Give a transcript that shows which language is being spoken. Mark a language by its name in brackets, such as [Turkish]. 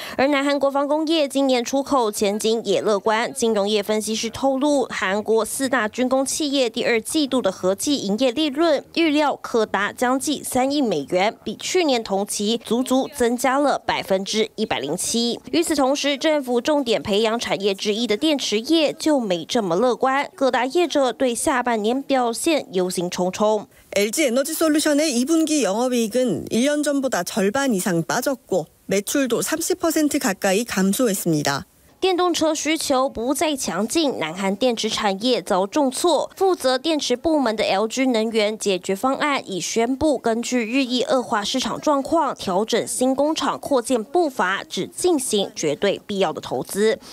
[Chinese] 而南韩国防工业今年出口前景也乐观，金融业分析师透露，韩国四大军工企业第二季度的合计营业利润预料可达将近3亿美元，比去年同期足足增加了107%。与此同时，政府重点培养产业之一的电池业就没这么乐观，各大业者对下半年表现忧心忡忡。 [Korean] LG 에너지 솔루션의 2분기 영업이익은 1년 전보다 절반 이상 빠졌고 매출도 30% 가까이 감소했습니다 [Chinese] 电动车需求不再强劲，南韩电池产业遭重挫。负责电池部门的 LG 能源解决方案已宣布，根据日益恶化市场状况，调整新工厂扩建步伐，只进行绝对必要的投资。